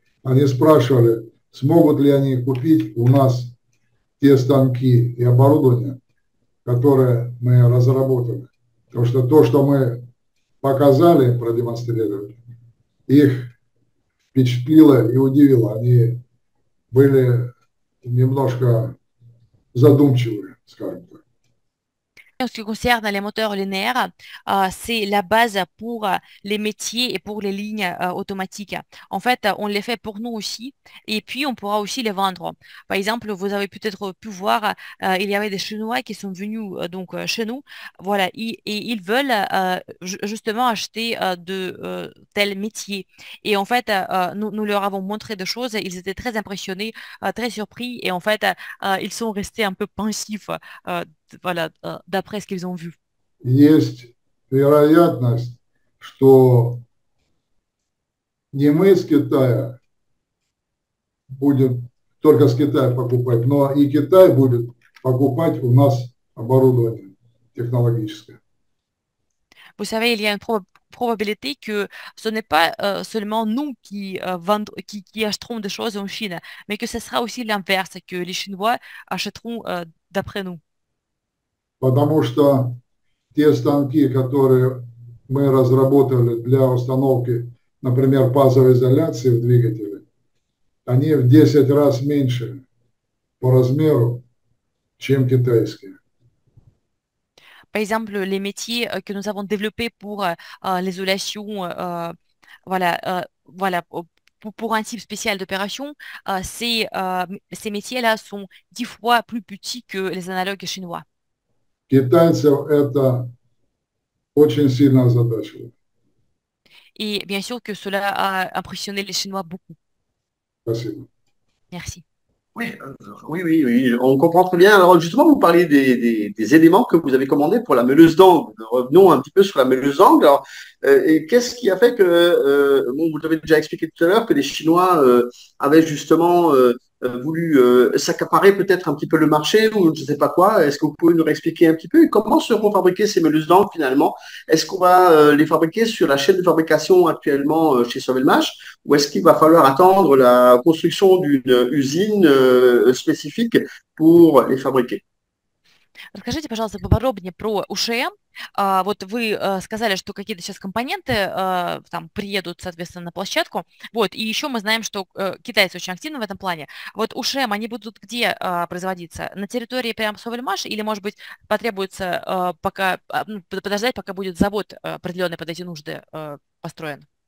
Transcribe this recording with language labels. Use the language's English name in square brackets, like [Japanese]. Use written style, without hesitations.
[Russian] Они спрашивали, смогут ли они купить у нас те станки и оборудование, которое мы разработали. Потому что то, что мы показали, продемонстрировали, их впечатлило и удивило. Они были немножко задумчивы, скажем так. [French] En ce qui concerne les moteurs linéaires, c'est la base pour les métiers et pour les lignes automatiques. En fait, on les fait pour nous aussi et puis on pourra aussi les vendre. Par exemple, vous avez peut-être pu voir, il y avait des Chinois qui sont venus donc chez nous. Voilà, et ils veulent justement acheter de tels métiers. Et en fait, nous leur avons montré des choses. Ils étaient très impressionnés, très surpris et en fait, ils sont restés un peu pensifs. Voilà, d'après ce qu'ils ont vu. [Russian] Есть вероятность, что не мы с Китая будем только с Китая покупать, но и Китай будет покупать у нас оборудование технологическое. [French] Vous savez, il y a une probabilité que ce n'est pas seulement nous qui acheterons des choses en Chine, mais que ce sera aussi l'inverse, que les Chinois achèteront d'après nous. [Russian] Потому что те станки, которые мы разработали для установки, например, пазовой изоляции в двигателе, они в 10 раз меньше по размеру, чем китайские. [French] Par exemple, les métiers que nous avons développés pour l'isolation, voilà, pour un type spécial d'opération, ces métiers-là sont 10 fois plus petits que les analogues chinois. [Russian] Китайцев это очень сильно озадачило. [French] Et bien sûr que cela a impressionné les Chinois beaucoup. [Russian] Спасибо. [French] Merci. Oui, on comprend très bien. Alors justement, vous parliez des éléments que vous avez commandés pour la meuleuse d'angle. Revenons un petit peu sur la meuleuse d'angle. Alors, qu'est-ce qui a fait que, bon, vous avez déjà expliqué tout à l'heure que les Chinois avaient justement voulu s'accaparer peut-être un petit peu le marché ou je ne sais pas quoi. Est-ce que vous pouvez nous réexpliquer un petit peu comment seront fabriquées ces meuleuses d'angle finalement? Est-ce qu'on va les fabriquer sur la chaîne de fabrication actuellement chez Sauvelmash ou est-ce qu'il va falloir attendre la construction d'une usine spécifique pour les fabriquer? [Russian] Расскажите, пожалуйста, поподробнее про УШМ. Вот вы сказали, что какие-то сейчас компоненты там приедут, соответственно, на площадку. Вот, и еще мы знаем, что китайцы очень активны в этом плане. Вот УШМ, они будут где производиться? На территории прямо Совельмаш? Или, может быть, потребуется пока подождать, пока будет завод определенный под эти нужды построен?